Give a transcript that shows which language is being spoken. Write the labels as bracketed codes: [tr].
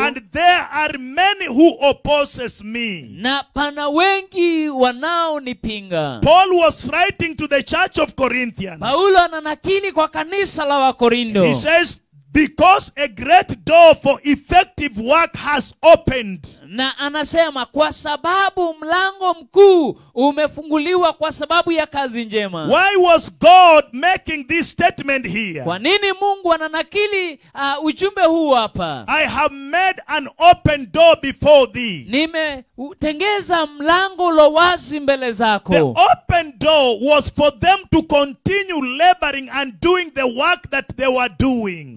[en] And there are many who opposes me. [sw] Na pana wengi wanaonipinga. [en] Paul was writing to the church of Corinthians. [sw] Paulo ananakili kwa kanisa la Wakorintho. [en] He says, because a great door for effective work has opened. [sw] Na anasema kwa sababu mlango mkuu umefunguliwa kwa sababu ya kazi njema. [en] Why was God making this statement here? [sw] Kwa nini Mungu ananakili ujumbe huu hapa? [en] I have made an open door before thee. [sw] Nimetengeza mlango lo wazi mbele zako. [en] The open door was for them to continue laboring and doing the work that they were doing.